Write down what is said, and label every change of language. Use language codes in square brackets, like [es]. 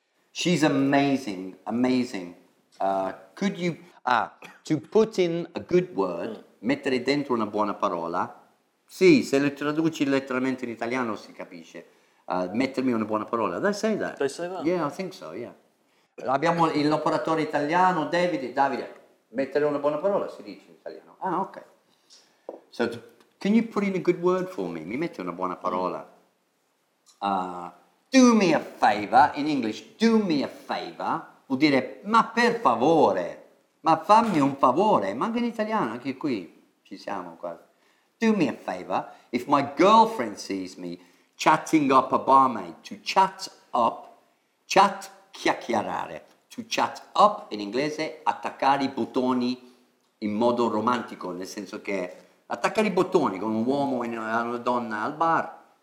[en] She's amazing, amazing. Could you, to put in a good word, [it] mettere dentro una buona parola? Sì, se lo traduci letteralmente in italiano si capisce. Mettermi una buona parola. [en] They say They that. say that. Yeah, I think so, yeah. [it] Abbiamo l'operatore italiano, Davide. Davide, mettere una buona parola si dice in italiano. Ah, ok. [en] So, can you put in a good word for me? [it] Mi metti una buona parola. [en] Do me a favor, [it] in English, do me a favor, vuol dire ma per favore, ma fammi un favore, ma anche in italiano, anche qui ci siamo quasi. [en] Do me a favor, if my girlfriend sees me chatting up a barmaid, to chat up, [it] chat chiacchierare, to chat up in inglese, attaccare i bottoni in modo romantico, nel senso che attaccare i bottoni con un uomo e una donna al bar.